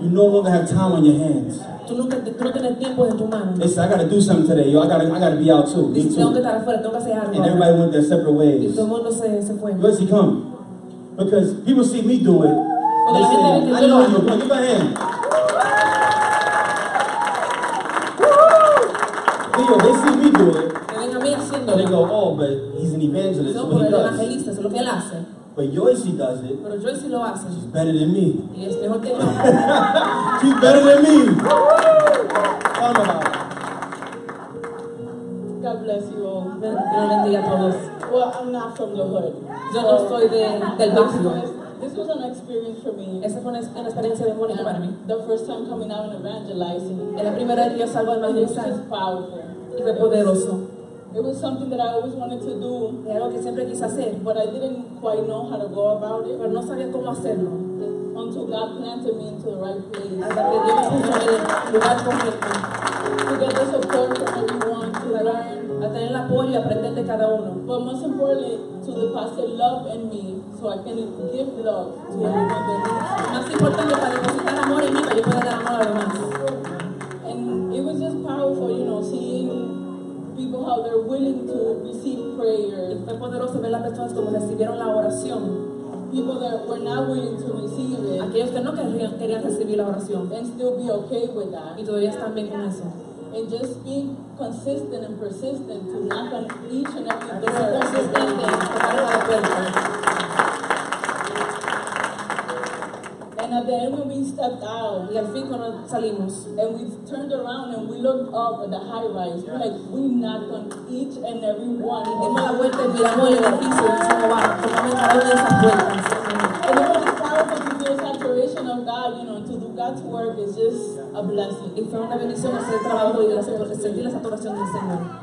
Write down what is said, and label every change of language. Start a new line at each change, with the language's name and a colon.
English: you no longer have time on your hands. They say, I got to do something today. Yo, I got to be out too.
Spanish: Dice, tengo que estar afuera, tengo que hacer algo.
English: And everybody went their separate ways.
Spanish: Y todo el mundo se fue.
English: Where's he come? Because people see me do it. They say, I know you. Come on, give a hand. Leo, they see me do it. And they go, oh, but he's an evangelist. No, what he does.
Spanish: Evangelista, es lo que él hace.
English: But Yossi does it.
Spanish: Pero Yossi lo hace.
English: She's better than me.
Spanish: Es mejor que yo.
English: She's better than me. Come on. God bless you all. Well, I'm not from the hood.
Spanish: Yo no soy del barrio.
English: This was an experience for me.
Spanish: Esa fue una experiencia de bonita para mí.
English: The first time coming out and evangelizing.
Spanish: Es la primera vez que yo salgo a evangelizar.
English: It was powerful.
Spanish: Y fue poderoso.
English: It was something that I always wanted to do,
Spanish: algo que siempre quise hacer,
English: but I didn't quite know how to go about it.
Spanish: Pero no sabía cómo hacerlo.
English: Until God planted me into the right place.
Spanish: Hasta que Dios puso en el lugar correcto.
English: To get the support from everyone, to learn.
Spanish: A tener el apoyo y aprender de cada uno.
English: But most importantly, to the pastor love in me, so I can give love to everyone that needs it.
Spanish: Más importante para depositar amor en mí, para yo pueda dar amor a los demás.
English: And it was just powerful, you know, seeing people how they're willing to receive prayer.
Spanish: Fue poderoso ver las personas como recibieron la oración.
English: People that were not willing to receive it.
Spanish: Aquellos que no querían recibir la oración.
English: And still be okay with that.
Spanish: Y todavía están bien con eso.
English: And just be consistent and persistent to knock on each and every door.
Spanish: Consistente.
English: And at the end when we stepped out,
Spanish: y al fin cuando salimos,
English: and we turned around and we looked up at the high rise, yeah. Like we knocked on each and every one.
Spanish: Y dimos la vuelta y miramos el edificio y dijimos, wow, tomamos cada una de esas puertas.
English: And it was powerful to feel saturation of God, you know, to do God's work is just a blessing.
Spanish: Y fue una bendición hacer el trabajo y sentir la saturación del Señor.